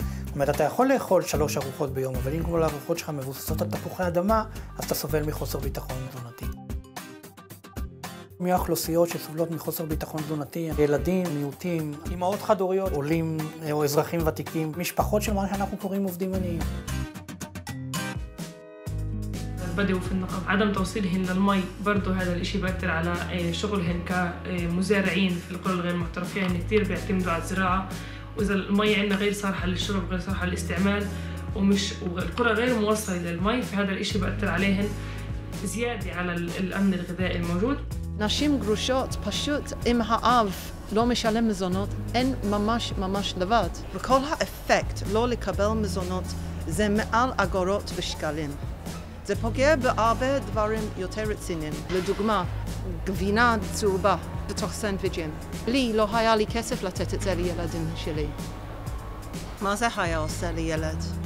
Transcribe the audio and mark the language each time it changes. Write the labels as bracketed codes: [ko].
[he] זאת אומרת, אתה יכול לאכול 3 ארוחות ביום, אבל אם כל הארוחות שלך מבוססות על תפוחי אדמה, אז אתה סובל מחוסר ביטחון תזונתי. מהאוכלוסיות שסובלות מחוסר ביטחון תזונתי, ילדים, מיעוטים, אמהות חד-הוריות, עולים או אזרחים ותיקים, משפחות של מה שאנחנו קוראים עובדים עניים. [ar] بدي وفي النقب، عدم توصيلهن للمي برضو هذا الاشي بأثر على شغلهن كمزارعين في القرى الغير محترفة، يعني كتير بيعتمدوا على الزراعة، وإذا المي عندنا غير صالحة للشرب غير صالحة للاستعمال ومش والقرى غير موصلة للمي، فهذا الاشي بأثر عليهن زيادة على الأمن الغذائي الموجود. [he] נשים גרושות פשוט אם האב לא משלם מזונות אין ממש ממש לבד וכל האפקט לא לקבל מזונות זה מעל אגורות ושקלים זה פוגע בהרבה דברים יותר רציניים לדוגמה גבינה צהובה בתוך סנדוויג'ים לי לא היה לי כסף לתת את זה לילדים שלי מה זה היה עושה לילד?